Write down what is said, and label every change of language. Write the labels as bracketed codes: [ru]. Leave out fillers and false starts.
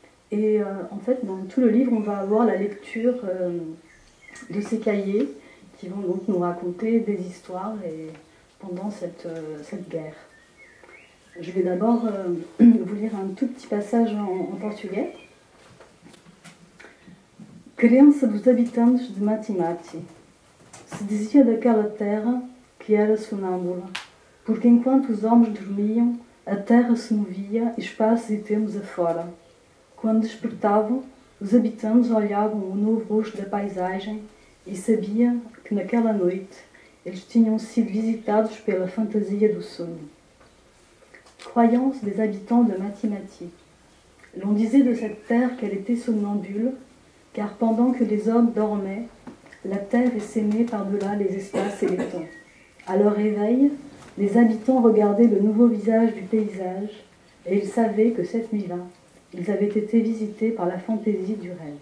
[fr] Et en fait, dans tout le livre, on va avoir la lecture de ces cahiers qui vont donc nous raconter des histoires et pendant cette guerre. Je vais d'abord vous lire un tout petit passage en portugais. [pt] Criança dos habitantes de Matimati, se dizia daquela terra que era sonâmbula, porque enquanto os homens dormiam, a terra se movia espaços e termos afora. Quando despertavam, os habitantes olhavam o novo rosto da paisagem e sabiam que naquela noite eles tinham sido visitados pela fantasia do sono. [fr] Croyance des habitants de Matimati. L'on disait de cette terre qu'elle était somnambule, car pendant que les hommes dormaient, la terre essaimait par-delà les espaces et les temps. À leur réveil, les habitants regardaient le nouveau visage du paysage et ils savaient que cette nuit-là, ils avaient été visités par la fantaisie du rêve.